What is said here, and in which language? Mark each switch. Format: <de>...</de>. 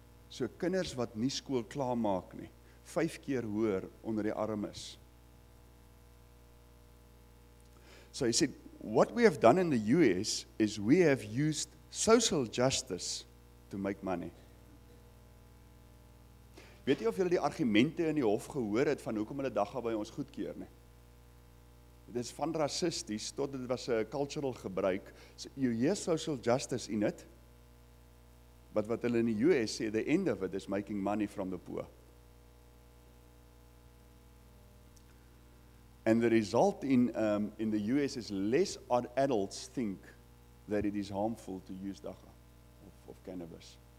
<af>So kinders wat nie skool klaar maak nie, 5 keer hoër onder die armes.</af> <en>So he said, what we have done in the US is we have used social justice to make money.</en> <af>Weet jy of julle die argumente in die hof gehoor het van hoekom hulle DACA by ons goedkeur nie? Dit is van racisties tot dit was 'n cultural gebruik.</af> <en>So, you hear social justice in it, but</en> <af>wat hulle in die US sê,</af> <en>the end of it is making money from the poor. And the result in the US is less adults think that it is harmful to use DACA of cannabis.</en>